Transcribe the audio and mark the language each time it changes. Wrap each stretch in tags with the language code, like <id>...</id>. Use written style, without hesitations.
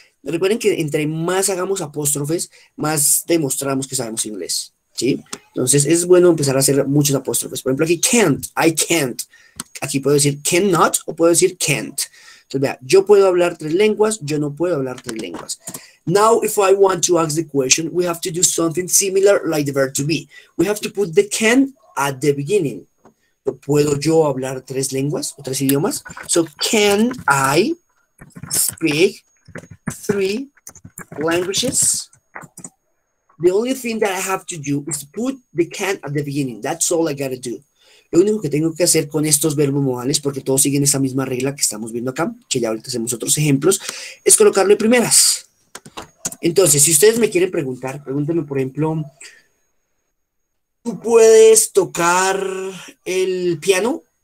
<es>Recuerden que entre más hagamos apóstrofes, más demostramos que sabemos inglés. ¿Sí? Entonces es bueno empezar a hacer muchos apóstrofes. Por ejemplo, aquí can't, I can't. Aquí puedo decir cannot o puedo decir can't. Entonces vea, yo puedo hablar tres lenguas, yo no puedo hablar tres lenguas.</es> <en>Now, if I want to ask the question, we have to do something similar like the verb to be. We have to put the can at the beginning.</en> <es>¿Puedo yo hablar tres lenguas o tres idiomas?</es> <en>So, can I speak three languages, the only thing that I have to do is to put the can at the beginning. That's all I gotta do.</en> <es>Lo único que tengo que hacer con estos verbos modales, porque todos siguen esa misma regla que estamos viendo acá, que ya ahorita hacemos otros ejemplos, es colocarlo de primeras. Entonces, si ustedes me quieren preguntar, pregúntenme, por ejemplo, ¿tú puedes tocar el piano?</es>